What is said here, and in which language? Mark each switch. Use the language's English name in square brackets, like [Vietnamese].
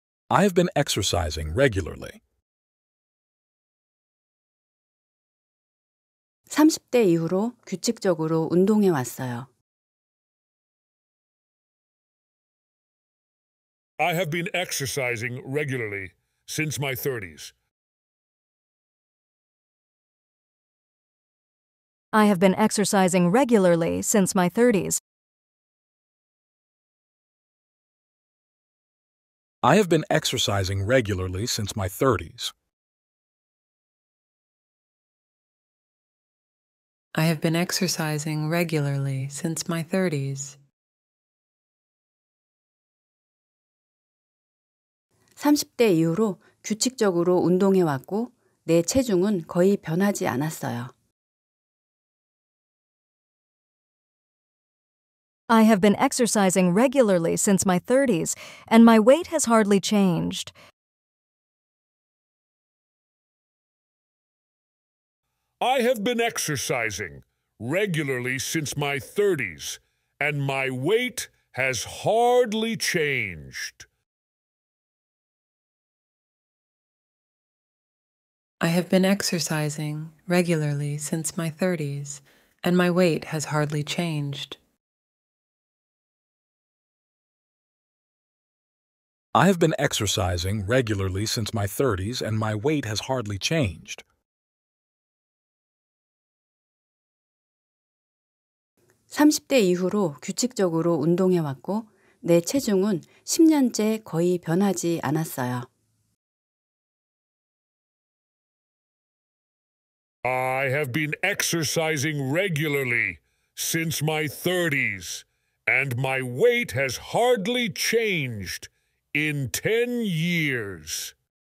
[English] I have been exercising regularly. [Korean] 30대 이후로 규칙적으로 운동해 왔어요. [English] I have been exercising regularly since my 30s. I have been exercising regularly since my 30s. I have been exercising regularly since my 30s. I have been exercising regularly since my 30s. [Korean] 30대 이후로 규칙적으로 운동해 왔고 내 체중은 거의 변하지 않았어요. [English] I have been exercising regularly since my 30s and my weight has hardly changed. I have been exercising regularly since my 30s and my weight has hardly changed. I have been exercising regularly since my 30s and my weight has hardly changed. I have been exercising regularly since my 30s and my weight has hardly changed. [Korean] 30대 이후로 규칙적으로 운동해 왔고 내 체중은 10년째 거의 변하지 않았어요. [English] I have been exercising regularly since my 30s and my weight has hardly changed. In 10 years.